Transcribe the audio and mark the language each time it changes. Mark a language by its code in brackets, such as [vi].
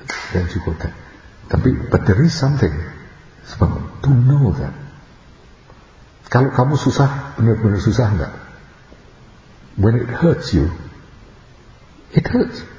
[id] Dan juga [en] that. [id] Tapi, [en] but there is something. [id] Sebab, [en] to know that. [id] Kalau kamu susah, benar-benar susah enggak? [en] When it hurts you, it hurts.